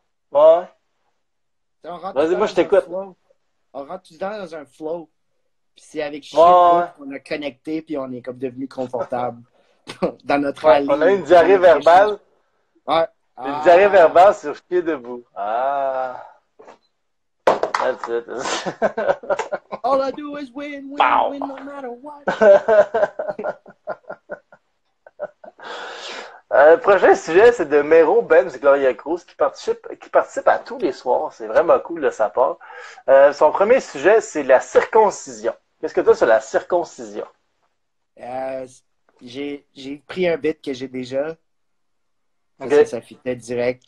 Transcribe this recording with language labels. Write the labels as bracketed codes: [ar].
[fr] Ouais. Vas-y, moi, je t'écoute. On rentre tout le temps dans un flow. Puis c'est avec chier debout qu'on a connecté, puis on est comme devenu confortable dans notre allée. On a une diarrhée verbale. Ouais. Une diarrhée verbale sur chier debout. [en] Ah... That's it. All I do is win, no matter what. [fr] Le prochain sujet, c'est de Mero Benz Gloria Cruz qui participe à tous les soirs. C'est vraiment cool de sa part. Son premier sujet, c'est la circoncision. Qu'est-ce que tu as sur la circoncision? J'ai pris un bit que j'ai déjà. Okay. Ça fitait direct.